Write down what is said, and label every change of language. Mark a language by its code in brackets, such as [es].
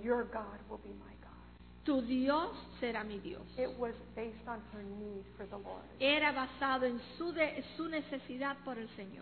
[en] Your God will be my God. [es] Tu Dios será mi Dios. [en] It was based on her need for the Lord. [es] Era basado en su necesidad por el Señor.